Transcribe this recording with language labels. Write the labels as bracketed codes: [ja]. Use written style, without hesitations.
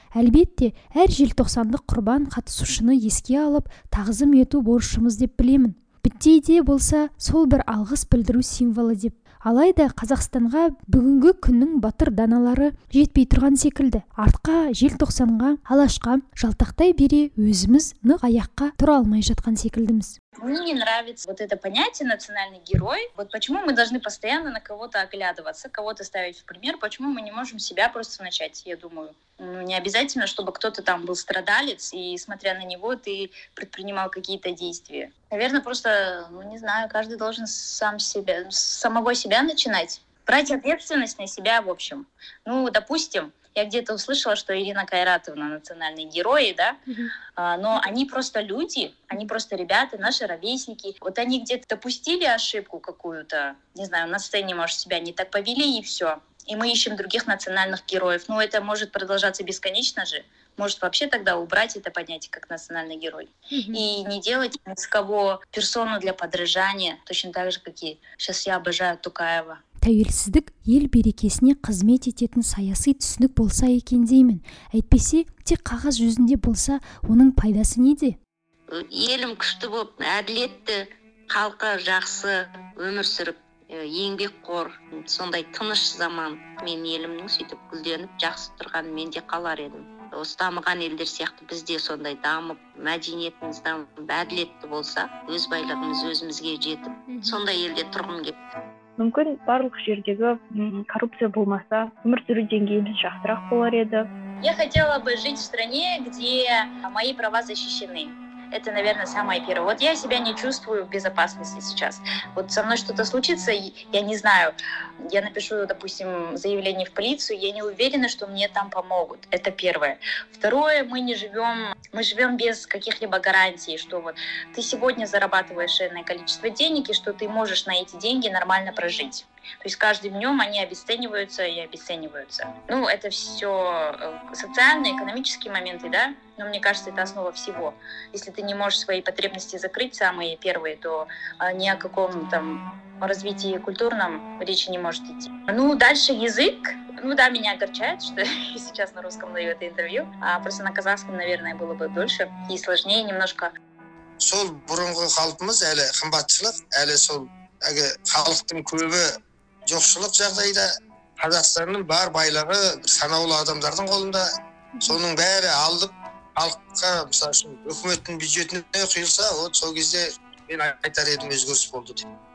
[kk] Әлбетте, әр желтоқсандық құрбан қатысушыны еске алып, тағзым ету борышымыз деп білемін. Біттей де болса, сол бір алғыс білдіру символы деп. Алайда Қазақстанға бүгінгі күннің батыр даналары жетпей тұрған секілді. Артқа, желтоқсанға, алашқа жалтақтай бере өзіміз нық аяққа тұра алмай жатқан секілдіміз. [ru] Мне не нравится вот это понятие национальный герой. Вот почему мы должны постоянно на кого-то оглядываться, кого-то ставить в пример, почему мы не можем себя просто начать, я думаю. Ну, не обязательно, чтобы кто-то там был страдалец, и смотря на него ты предпринимал какие-то действия. Наверное, просто, ну не знаю, каждый должен самого себя начинать. Брать ответственность на себя, в общем. Ну, допустим, Я где-то услышала, что Ирина Кайратовна — национальные герои, да? Но они просто люди, они просто ребята, наши ровесники. Вот они где-то допустили ошибку какую-то, не знаю, на сцене, может, себя не так повели, и все. И мы ищем других национальных героев. Но это может продолжаться бесконечно же. Может, вообще тогда убрать это понятие как национальный герой. И не делать ни с кого персону для подражания, точно так же, как и сейчас я обожаю Тукаева. [kk] Тәуелсіздік ел берекесіне қызмет ететін саяси түсінік болса екен деймін. Әйтпесе, тек қағаз жүзінде болса, оның пайдасы неде? Елім күшті болып, әділетті, халқы жақсы өмір сүріп, еңбек қор, сондай тыныш заман. Мен елімнің сөйтіп күлденіп, жақсы тұрған мен де қалар едім. Осы дамыған елдер сияқты бізде сондай дамып, мәдениетіміз дамып, әділетті болса, өз байлығымыз өзімізге жетіп, сондай елде тұрғым келеді. Мүмкін барлық жердегі коррупция болмаса, өмір сүру деңгейіміз жақсырақ болар еді. [ru] Я хотела бы жить в стране, где мои права защищены. Это, наверное, самое первое. Вот я себя не чувствую в безопасности сейчас. Вот со мной что-то случится, я не знаю. Я напишу, допустим, заявление в полицию, я не уверена, что мне там помогут. Это первое. Второе, мы живем без каких-либо гарантий, что вот ты сегодня зарабатываешь энное количество денег, и что ты можешь на эти деньги нормально прожить. То есть каждым днем они обесцениваются и обесцениваются. Ну, это все социальные, экономические моменты, да? Но мне кажется, это основа всего. Если ты не можешь свои потребности закрыть, самые первые, то ни о каком там развитии культурном речи не может идти. Ну, дальше язык. Ну да, меня огорчает, что я сейчас на русском даю это интервью. А просто на казахском, наверное, было бы дольше и сложнее немножко. [kk] Сол бұрынғы халпымыз әлі қымбатшылық, әлі сол әге халықтың көбі жоқшылық жағдайда, Қазақстанның бар байлығы санаулы адамдардың қолында, соның бәрі алып, халыққа, мысал үшін, үкіметтің бюджетіне құйылса, вот сол кезде мен айтар едім, өзгеріс болды деп.